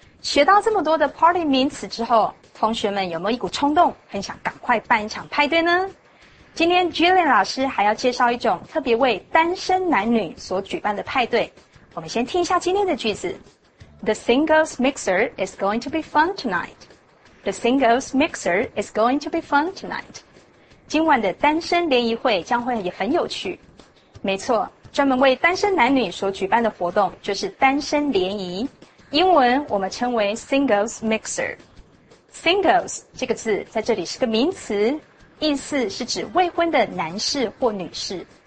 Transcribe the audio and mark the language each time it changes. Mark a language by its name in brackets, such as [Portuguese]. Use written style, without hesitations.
[Chinese] 学到这么多的 party 名词之后，同学们有没有一股冲动，很想赶快办一场派对呢？今天 Jillian 老师还要介绍一种特别为单身男女所举办的派对。我们先听一下今天的句子。 [English] The singles mixer is going to be fun tonight. The singles mixer is going to be fun tonight. [Chinese] 今晚的单身联谊会将会也很有趣。没错，专门为单身男女所举办的活动就是单身联谊，英文我们称为 singles mixer。 singles 这个字在这里是个名词，意思是指未婚的男士或女士。